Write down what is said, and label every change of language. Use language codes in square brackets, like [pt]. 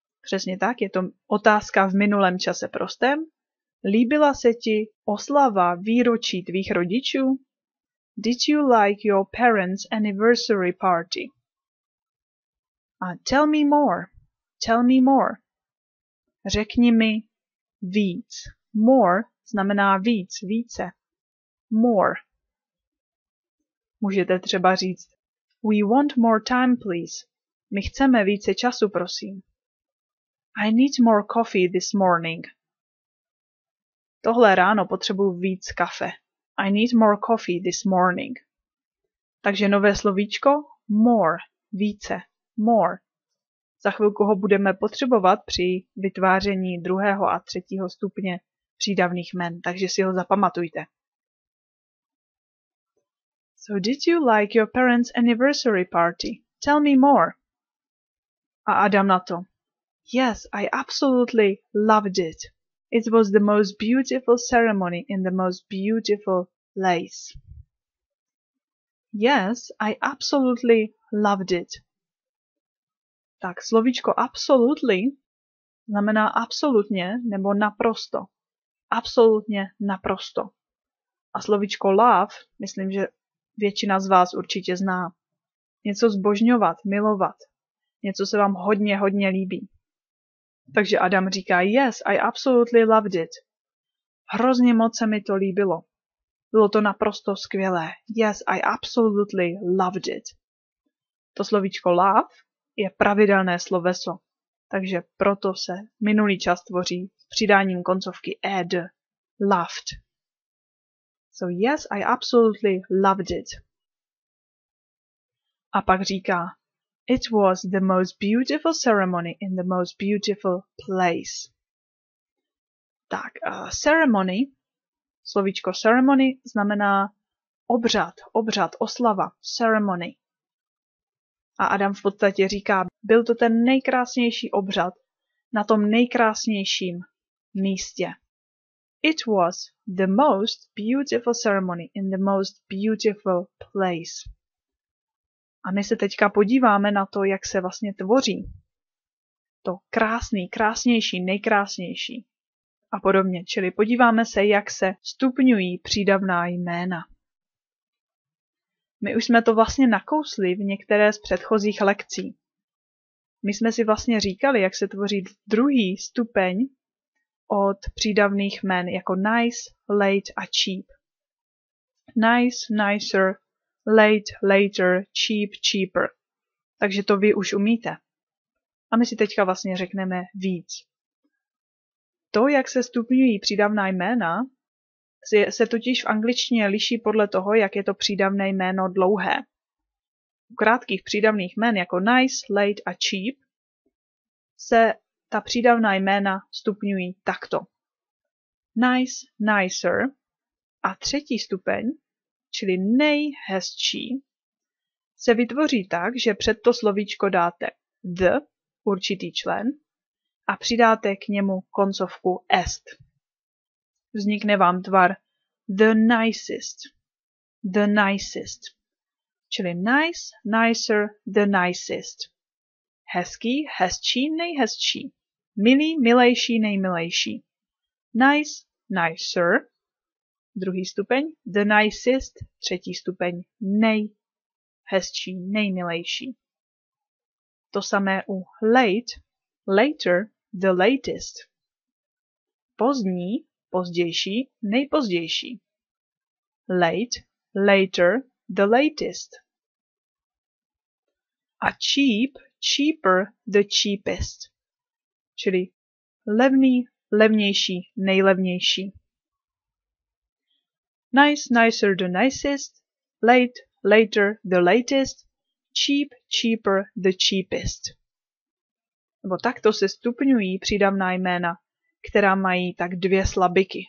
[cs] Přesně tak, je to otázka v minulém čase prostém. Líbila se ti oslava výročí tvých rodičů? [en] Did you like your parents' anniversary party? Tell me more. Tell me more. [cs] Řekni mi víc. More znamená víc, více. More. Můžete třeba říct [en] we want more time, please. [cs] My chceme více času, prosím. [en] I need more coffee this morning. [cs] Tohle ráno potřebuji víc kafe. [en] I need more coffee this morning. [cs] Takže nové slovíčko more, více. More. Za chvilku ho budeme potřebovat při vytváření druhého a třetího stupně přídavných jmen, takže si ho zapamatujte. So [en] So did you like your parents' anniversary party? Tell me more. [cs] A Adam na to. [en] Yes, I absolutely loved it. It was the most beautiful ceremony in the most beautiful place. Yes, I absolutely loved it. [cs] Tak, slovíčko absolutely znamená absolutně nebo naprosto. Absolutně naprosto. A slovíčko love, myslím, že většina z vás určitě zná. Něco zbožňovat, milovat. Něco se vám hodně, hodně líbí. Takže Adam říká, [en] yes, I absolutely loved it. [cs] Hrozně moc se mi to líbilo. Bylo to naprosto skvělé. [en] Yes, I absolutely loved it. [cs] To slovíčko love je pravidelné sloveso. Takže proto se minulý čas tvoří s přidáním koncovky ed, loved. [en] So yes, I absolutely loved it. [cs] A pak říká, [en] it was the most beautiful ceremony in the most beautiful place. [cs] Tak, ceremony, slovíčko ceremony znamená obřad, obřad, oslava, ceremony. A Adam v podstatě říká, byl to ten nejkrásnější obřad na tom nejkrásnějším místě. [en] It was the most beautiful ceremony in the most beautiful place. [cs] A my se teďka podíváme na to, jak se vlastně tvoří. To krásný, krásnější, nejkrásnější. A podobně, čili podíváme se, jak se stupňují přídavná jména. My už jsme to vlastně nakousli v některé z předchozích lekcí. My jsme si vlastně říkali, jak se tvoří druhý stupeň od přídavných jmen jako nice, late a cheap. [en] Nice, nicer, late, later, cheap, cheaper. [cs] Takže to vy už umíte. A my si teďka vlastně řekneme víc. To, jak se stupňují přídavná jména, se totiž v angličtině liší podle toho, jak je to přídavné jméno dlouhé. U krátkých přídavných jmen jako nice, late a cheap se ta přídavná jména stupňují takto. Nice, nicer a třetí stupeň, čili nejhezčí, se vytvoří tak, že před to slovíčko dáte the, určitý člen, a přidáte k němu koncovku est. Vznikne vám tvar the nicest, the nicest, čili nice, nicer, the nicest. Hezký, hezčí, nejhezčí. Milý, milejší, nejmilejší. Nice, nicer, druhý stupeň, the nicest, třetí stupeň, nejhezčí, nejmilejší. To samé u late, later, the latest. Pozdní, pozdější, nejpozdější. [en] Late, later, the latest. A cheap, cheaper, the cheapest. [cs] Čili levný, levnější, nejlevnější. [en] Nice, nicer, the nicest. Late, later, the latest. [cs] Cheap, cheaper, the cheapest. Nebo takto se stupňují přídavná jména, která mají tak dvě slabiky.